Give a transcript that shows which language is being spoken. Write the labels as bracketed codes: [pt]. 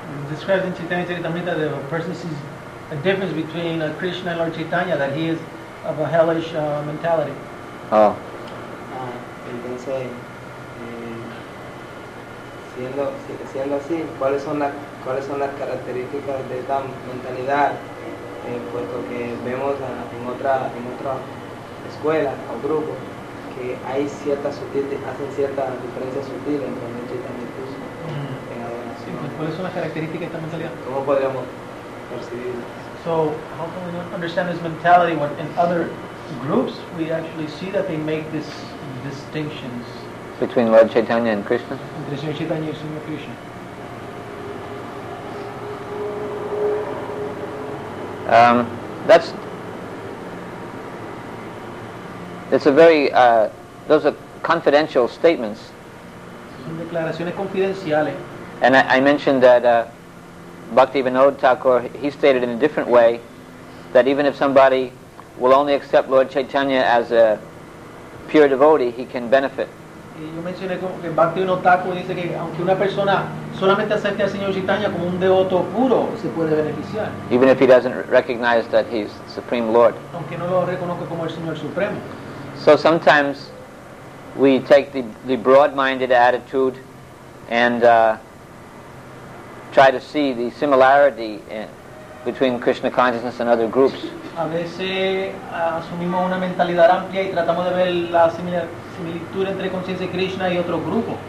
[en] Describes in Chaitanya Charitamrita that a person sees a difference between Krishna and Lord Chaitanya, that he is of a hellish mentality. [es] Entonces, siendo así, ¿cuáles son las características de esta mentalidad? Puesto que vemos en otra escuela o grupo que hay cierta diferencia sutil entre el Chaitanya y Krishna en adoración. ¿Cuáles son las características de esta mentalidad? ¿Cómo podríamos percibirlo? [en] So, how can we understand this mentality when in other groups we actually see that they make these distinctions between Lord Chaitanya and Krishna? [es] Entre Señor Chaitanya y Señor Krishna. [en] That's a very, those are confidential statements. [es] Son declaraciones confidenciales. [en] And I mentioned that Bhaktivinoda Thakur, he stated in a different way that even if somebody will only accept Lord Chaitanya as a pure devotee, he can benefit. [es] Yo mencioné que Bhaktivinoda Thakur dice que aunque una persona solamente acepte al Señor Chaitanya como un devoto puro, se puede beneficiar. [en] Even if he doesn't recognize that he's Supreme Lord. [es] Aunque no lo reconozca como el Señor Supremo. [en] So sometimes we take the broad-minded attitude and try to see the similarity between Krishna consciousness and other groups. [es] A veces asumimos una mentalidad amplia y tratamos de ver la similitud entre conciencia de Krishna y otro grupo.